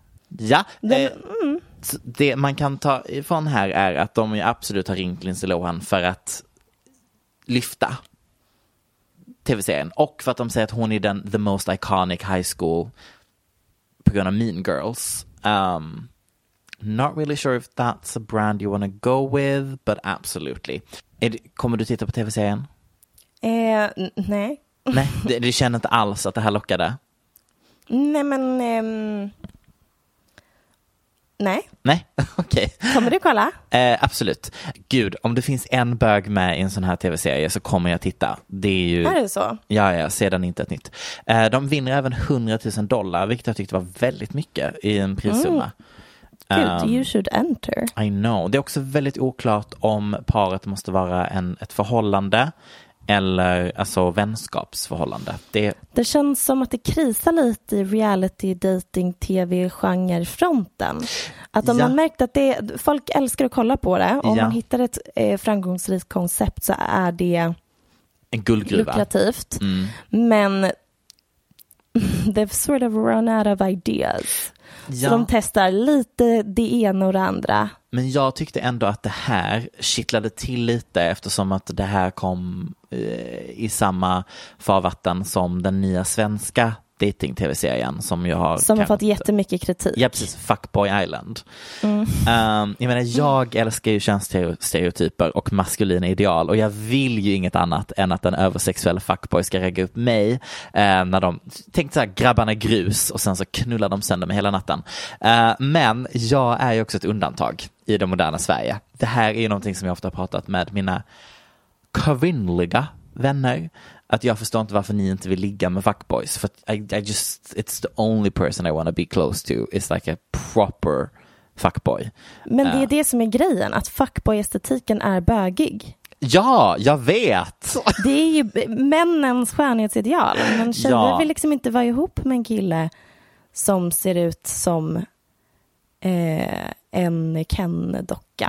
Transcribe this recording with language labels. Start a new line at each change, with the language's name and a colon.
Swedish: Ja, det man kan ta ifrån här är att de ju absolut har ringt Lindsay Lohan för att lyfta tv-serien. Och för att de säger att hon är den
English: the most iconic high school
Swedish: på grund av Mean Girls.
English: Not really sure if that's a brand you want to go with, but absolutely.
Swedish: Kommer du titta på tv-serien? Nej. Nej, du känner inte alls att det här lockade? Nej, men... Nej. Nej, okej.
English: Okay.
Swedish: Kommer du kolla? Absolut. Gud, om det finns en bög med i en sån här tv-serie så kommer jag titta. Det är ju... Är det så? Ja, ja, sedan inte ett nytt. De vinner även 100 000 dollar, vilket jag tyckte var väldigt mycket i en prissumma. Gud,
English: you should enter. I know.
Swedish: Det är också väldigt oklart om paret måste vara ett förhållande eller alltså vänskapsförhållande. Det känns som att det krisar lite i reality dating tv genre fronten. Att om man märkt att det folk älskar att kolla på det, om man hittar ett framgångsrikt koncept så är det en guldgruva. Lukrativt. Men
English: they've sort of run out of ideas.
Swedish: Ja. Så de testar lite det ena och det andra. Men jag tyckte ändå att det här kittlade till lite eftersom att det här kom i samma farvatten som den nya svenska dating-tv-serien som jag har... Som har fått jättemycket kritik. Ja, precis. Fuckboy Island. Jag menar, jag älskar ju könsstereotyper och maskulina ideal och jag vill ju inget annat än att en översexuell fuckboy ska regga upp mig när de... Tänk så här, grabbarna grus och sen så knullar de sönder mig hela natten. Men jag är ju också ett undantag i det moderna Sverige. Det här är ju någonting som jag ofta har pratat med mina kvinnliga vänner. Att jag förstår inte varför ni inte vill ligga med fuckboys. För att
English: it's the only person I want to be close to is like a proper fuckboy.
Swedish: Men det är det som är grejen, att fuckboy-estetiken är bögig. Ja, jag vet. Det är ju männens skönhetsideal. Men tjejer vill liksom inte vara ihop med en kille som ser ut som en Ken-docka.